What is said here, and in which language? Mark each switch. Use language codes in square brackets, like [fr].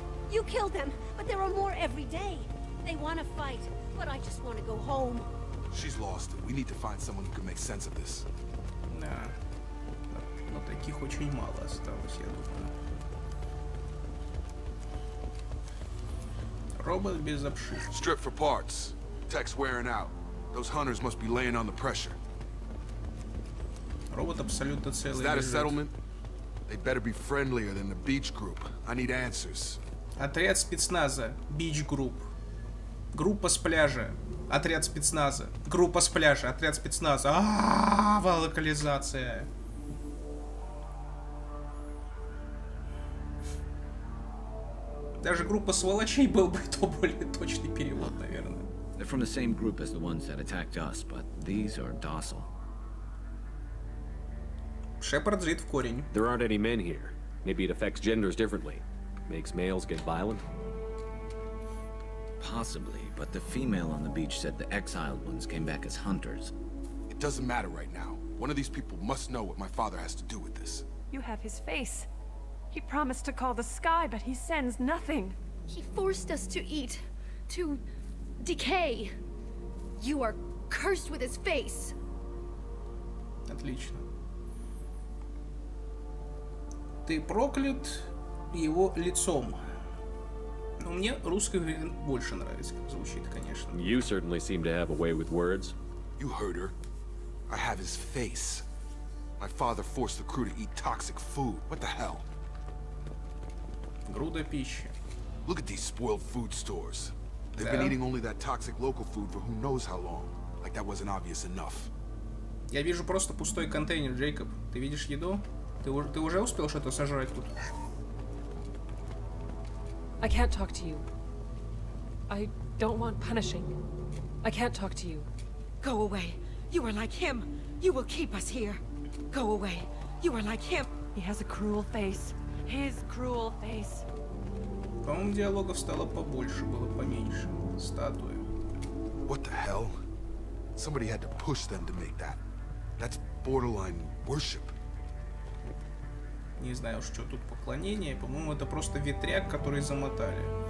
[en] You killed them, but there are more every day. They want to fight, but I just want to go home. She's lost it. We need to find someone who can make sense of this. [ru] Да. Но таких очень мало осталось, я думаю. Робот без обшивки. [en] Strip for parts. Tech's wearing out. Those hunters must be laying on the pressure. [ru] Робот абсолютно целый. [en] Is that a settlement? They better be friendlier than the beach group. I need answers. [ru] Отряд спецназа. [en] Beach group. [ru] Группа с пляжа. Отряд спецназа. Группа с пляжа. Отряд спецназа. Волокализация. Даже группа сволочей был бы то более точный перевод, наверное. [en] They're from the same group as the ones that attacked us, but these are docile. [ru] Шепард зрит в корень. [en] There aren't any men here. Maybe it affects genders differently. Makes males get violent. Possibly, but the female on the beach said the exiled ones came back as hunters. It doesn't matter right now. One of these people must know what my father has to do with this. You have his face. He promised to call the sky, but he sends nothing. He forced us to eat, to decay. You are cursed with his face. [ru] Отлично. Ты проклят его лицом. Но мне русский вариант больше нравится, как звучит, конечно. [en] You certainly seem to have a way with words. You heard her. I have his face. My father forced the crew to eat toxic food. What the hell? [ru] Груда пищи. [en] Look at these spoiled food stores. They've been eating only that toxic local food for who knows how long. Like that wasn't obvious enough. [ru] Я вижу просто пустой контейнер, Джейкоб. Ты видишь еду? Ты уже успел что-то сожрать тут? [en] I can't talk to you. I don't want punishing. I can't talk to you. Go away. You are like him. You will keep us here. Go away. You are like him. He has a cruel face. His cruel face. [ru] По-моему, диалогов стало побольше, было поменьше. Статуя. [en] What the hell? Somebody had to push them to make that. That's borderline worship. [ru] Не знаю уж, что тут поклонение. По-моему, это просто ветряк, который замотали.